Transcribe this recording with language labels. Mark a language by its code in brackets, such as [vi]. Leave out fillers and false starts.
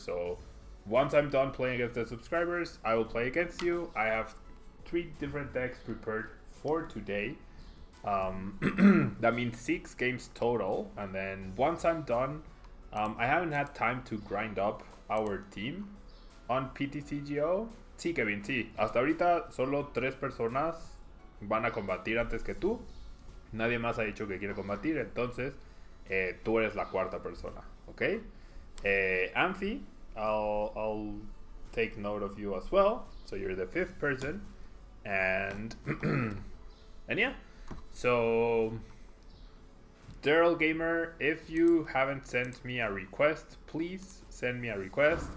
[en] So once I'm done playing against the subscribers, I will play against you. I have three different decks prepared for today. That means six games total. And then once I'm done, I haven't had time to grind up our team on PTCGO. [es] Sí, Kevin, sí. Hasta ahorita solo tres personas van a combatir antes que tú. Nadie más ha dicho que quiere combatir, entonces... tú eres la cuarta persona, okay? [en] Amphi, I'll take note of you as well. So you're the fifth person, and yeah. So Daryl Gamer, if you haven't sent me a request, please send me a request.